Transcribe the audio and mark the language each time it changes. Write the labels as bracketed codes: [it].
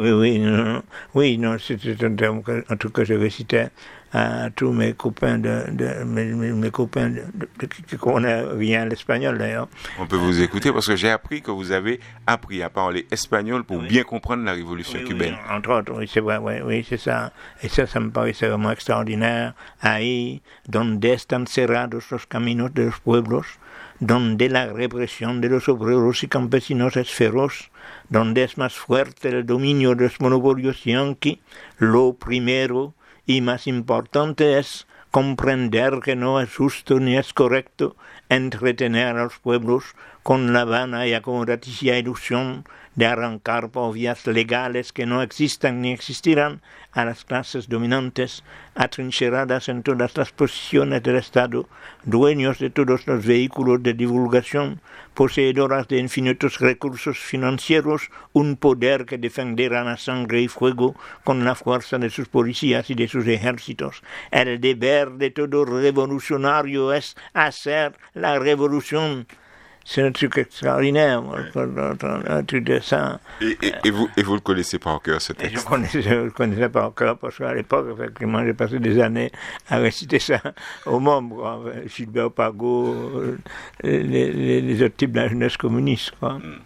[fr] oui, non, oui, non, c'était un terme en tout cas, je récitais à tous mes copains, mes copains qui connaissent rien l'espagnol, d'ailleurs. On peut vous écouter parce que j'ai appris que vous avez appris à parler espagnol pour Oui. bien comprendre la révolution Oui, cubaine. entre autres, oui, c'est vrai, oui, c'est ça. Et ça me paraissait vraiment extraordinaire. [es] Ahí, donde están cerrados los caminos de los pueblos, donde la represión de los obreros y campesinos es feroz, donde es más fuerte el dominio de los monopolios yanqui, lo primero y más importante es comprender que no es justo ni es correcto entretener a los pueblos con la vana y acomodaticia ilusión de arrancar por vías legales que no existan ni existirán a las clases dominantes, atrincheradas en todas las posiciones del Estado, dueños de todos los vehículos de divulgación, poseedoras de infinitos recursos financieros, un poder que defenderán a sangre y fuego con la fuerza de sus policías y de sus ejércitos. El deber de todo revolucionario es hacer la revolución. [fr] C'est un truc extraordinaire, un truc de ça. Et vous le connaissez pas encore, ce Et texte. je ne le connaissais pas encore, parce qu'à l'époque, effectivement, j'ai passé des années à réciter ça aux membres, Gilbert Pagot, les autres types de la jeunesse communiste, quoi.